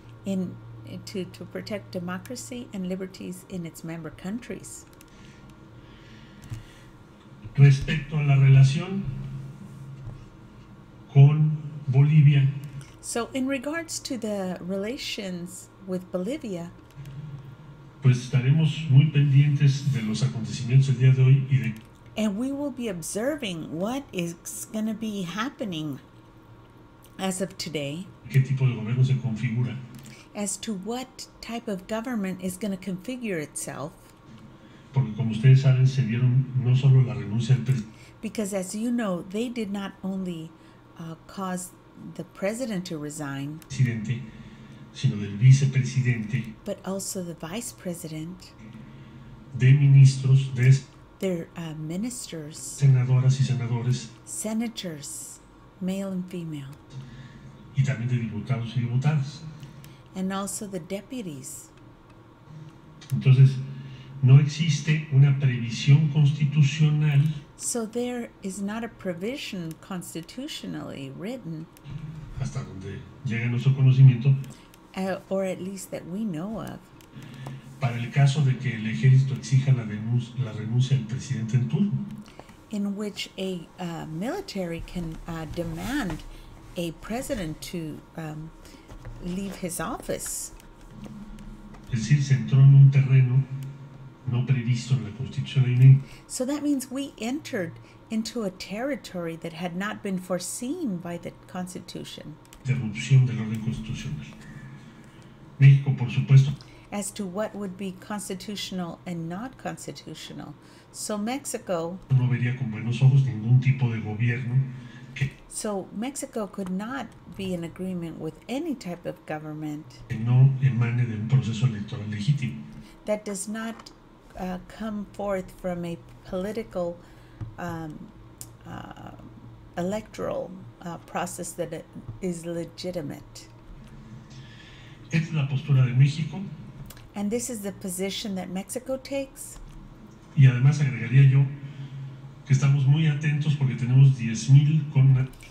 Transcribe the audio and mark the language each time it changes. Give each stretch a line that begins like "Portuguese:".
English: in to protect democracy and liberties in its member countries.
Spanish: respecto a la relación con Bolivia.
English: So in regards to the relations with Bolivia,
Spanish: pues estaremos muy pendientes de los acontecimientos el día de hoy y de...
English: And we will be observing what is going to be happening as of today.
Spanish: ¿Qué tipo de gobierno se configura?
English: As to what type of government is going to configure itself.
Spanish: Porque como ustedes saben, se dieron no solo la renuncia al presidente.
English: Because as you know, they did not only cause the president to resign.
Spanish: Presidente, sino del vicepresidente.
English: But also the vice president.
Spanish: De ministros, de...
English: Their ministers.
Spanish: Senadoras y senadores.
English: Senators, male and female.
Spanish: Y también de diputados y diputadas.
English: And also the deputies.
Spanish: Entonces, no existe una previsión constitucional.
English: So there is not a provision constitutionally written.
Spanish: Hasta donde llega nuestro conocimiento.
English: Or at least that we know of.
Spanish: Para el caso de que el ejército exija la renuncia del presidente en turno.
English: In which a military can demand a president to leave his office.
Spanish: Es decir, se entró en un terreno no previsto en la Constitución.
English: So that means we entered into a territory that had not been foreseen by the Constitution.
Spanish: Interrupción del orden constitucional. México, por supuesto.
English: As to what would be constitutional and not constitutional. So Mexico...
Spanish: No vería con buenos ojos ningún tipo de gobierno que...
English: So Mexico could not be in agreement with any type of government...
Spanish: Que no emane de un proceso electoral legítimo.
English: That does not come forth from a political electoral process that is legitimate.
Spanish: Esta es la postura de México...
English: And this is the position that Mexico takes.
Spanish: Y además agregaría yo que estamos muy atentos porque tenemos 10,000 con...